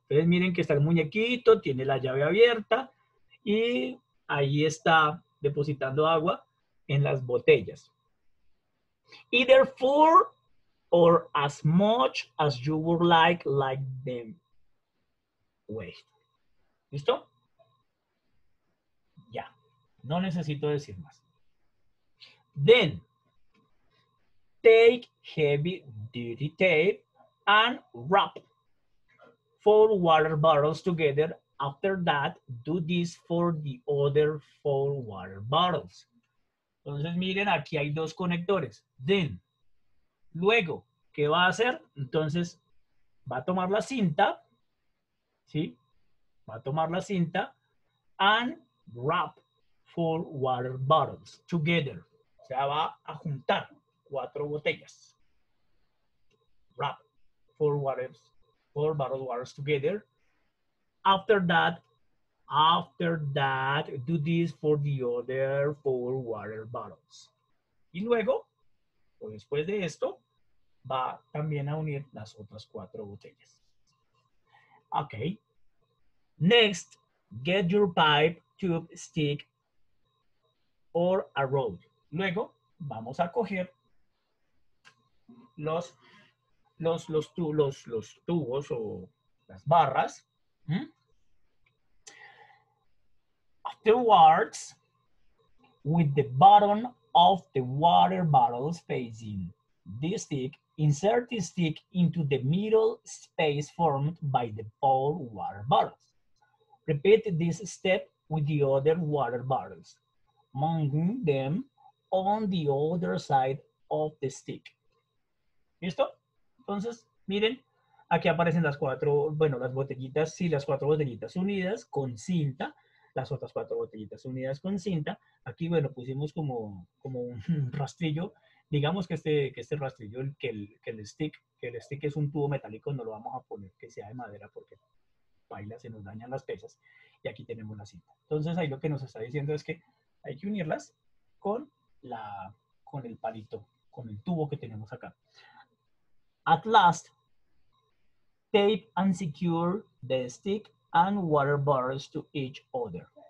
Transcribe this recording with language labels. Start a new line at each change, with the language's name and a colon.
Spanish: Ustedes miren que está el muñequito, tiene la llave abierta y ahí está depositando agua en las botellas.
English: Either full or as much as you would like them. Wait.
Spanish: ¿Listo? Ya. No necesito decir más.
English: Then, take heavy duty tape and wrap 4 water bottles together. After that, do this for the other 4 water bottles.
Spanish: Entonces, miren, aquí hay 2 conectores. Then, luego, ¿qué va a hacer? Entonces, va a tomar la cinta, ¿sí? Va a tomar la cinta
English: and wrap 4 water bottles together.
Spanish: O sea, va a juntar 4 botellas.
English: Wrap 4 bottles together. After that, do this for the other 4 water bottles.
Spanish: Y luego, o después de esto, va también a unir las otras 4 botellas. Okay.
English: Next, get your pipe, tube, stick, or a road.
Spanish: Luego vamos a coger los tubos o las barras.
English: Afterwards, with the bottom of the water bottles facing the stick, insert the stick into the middle space formed by the bowl water bottles. Repeat this step with the other water bottles, mounting them on the other side of the stick.
Spanish: ¿Listo? Entonces, miren, aquí aparecen las cuatro, bueno, las botellitas, sí, las cuatro botellitas unidas con cinta, las otras cuatro botellitas unidas con cinta. Aquí, bueno, pusimos como un rastrillo. Digamos que este rastrillo, que el stick es un tubo metálico, no lo vamos a poner que sea de madera porque baila, se nos dañan las pesas. Y aquí tenemos la cinta. Entonces, ahí lo que nos está diciendo es que hay que unirlas con el palito, con el tubo que tenemos acá.
English: At last, tape and secure the stick and water bottles to each other.